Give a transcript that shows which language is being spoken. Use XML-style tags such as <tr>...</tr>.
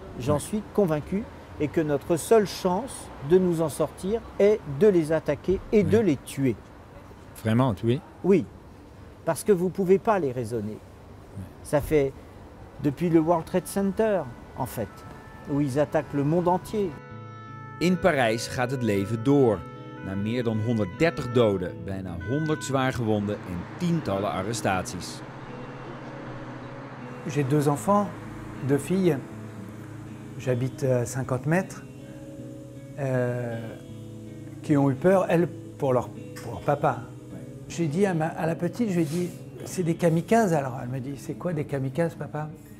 <fr>J'en suis convaincu, et que notre seule chance de nous en sortir est de les attaquer et de les tuer. Vraiment, tuer? Oui, parce que vous ne pouvez pas les raisonner. Ça fait depuis le World Trade Center, en fait, où ils attaquent le monde entier.</fr> <nl>In Parijs gaat het leven door. Na meer dan 130 doden, bijna 100 zwaar gewonden en tientallen arrestaties.</nl> <fr>J'ai deux enfants, deux filles. J'habite à 50 mètres, qui ont eu peur, elles, pour leur papa. J'ai dit à la petite, je lui ai dit, c'est des kamikazes alors. Elle m'a dit, c'est quoi des kamikazes, papa?</fr>